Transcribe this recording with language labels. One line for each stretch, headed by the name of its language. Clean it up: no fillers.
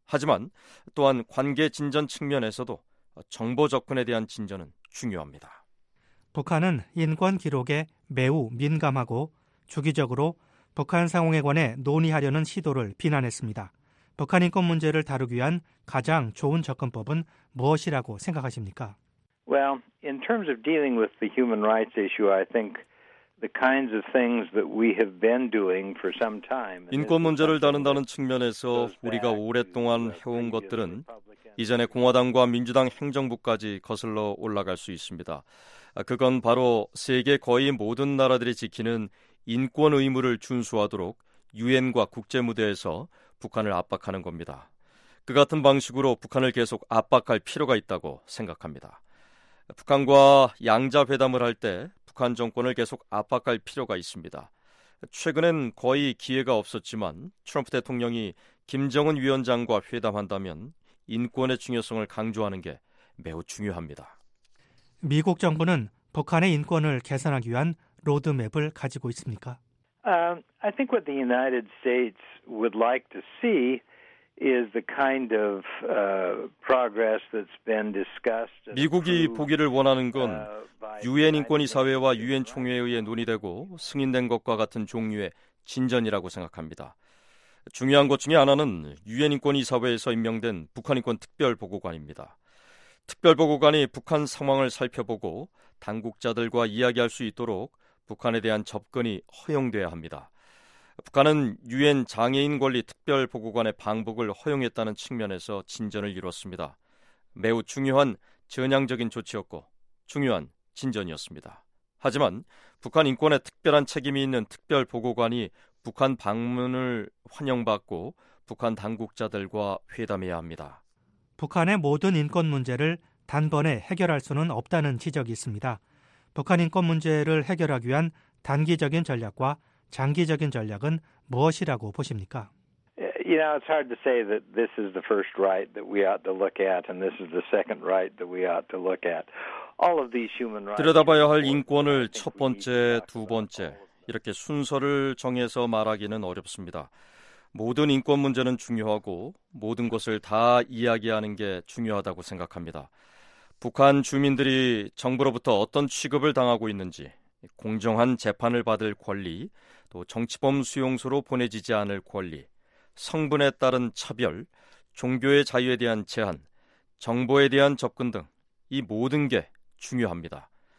Korean: 하지만 또한 관계 진전 측면에서도 정보 접근에 대한 진전은 중요합니다. 북한은 인권 기록에 매우 민감하고 주기적으로 북한 상황에 관해 논의하려는 시도를 비난했습니다. 북한 인권 문제를 다루기 위한 가장 좋은 접근법은 무엇이라고 생각하십니까?
English: Well, in terms of dealing with the human rights issue, I think the kinds of things that we have been doing for some time.
Korean: 인권 문제를 다룬다는 측면에서 우리가 오랫동안 해온 것들은 이전의 공화당과 민주당 행정부까지 거슬러 올라갈 수 있습니다. 그건 바로 세계 거의 모든 나라들이 지키는 인권 의무를 준수하도록 유엔과 국제무대에서 북한을 압박하는 겁니다. 그 같은 방식으로 북한을 계속 압박할 필요가 있다고 생각합니다. 북한과 양자회담을 할 때 북한 정권을 계속 압박할 필요가 있습니다. 최근엔 거의 기회가 없었지만 트럼프 대통령이 김정은 위원장과 회담한다면 인권의 중요성을 강조하는 게 매우 중요합니다. 미국 정부는 북한의 인권을 개선하기 위한 로드맵을 가지고 있습니까?
English: I think what the United States would like to see is the kind of progress that's been discussed.
Korean: 미국이 보기를 원하는 건 유엔 인권이사회와 유엔 총회에 의해 논의되고 승인된 것과 같은 종류의 진전이라고 생각합니다. 중요한 것 중에 하나는 유엔 인권이사회에서 임명된 북한 인권 특별 보고관입니다. 특별 보고관이 북한 상황을 살펴보고 당국자들과 이야기할 수 있도록 북한에 대한 접근이 허용돼야 합니다. 북한은 유엔 장애인 권리 특별 보고관의 방북을 허용했다는 측면에서 진전을 이뤘습니다. 매우 중요한 전향적인 조치였고 중요한 진전이었습니다. 하지만 북한 인권에 특별한 책임이 있는 특별 보고관이 북한 방문을 환영받고 북한 당국자들과 회담해야 합니다. 북한의 모든 인권 문제를 단번에 해결할 수는 없다는 지적이 있습니다. 북한 인권 문제를 해결하기 위한 단기적인 전략과 장기적인 전략은 무엇이라고 보십니까?
English: You know, it's hard to say that this is the first right that we ought to look at and this is the second right that we ought to look at. All of these human rights.
Korean: 들여다봐야 할 인권을 첫 번째, 두 번째 이렇게 순서를 정해서 말하기는 어렵습니다. 모든 인권 문제는 중요하고 모든 것을 다 이야기하는 게 중요하다고 생각합니다. 북한 주민들이 정부로부터 어떤 취급을 당하고 있는지, 공정한 재판을 받을 권리, 또 정치범 수용소로 보내지지 않을 권리, 성분에 따른 차별, 종교의 자유에 대한 제한, 정보에 대한 접근 등 이 모든 게 중요합니다.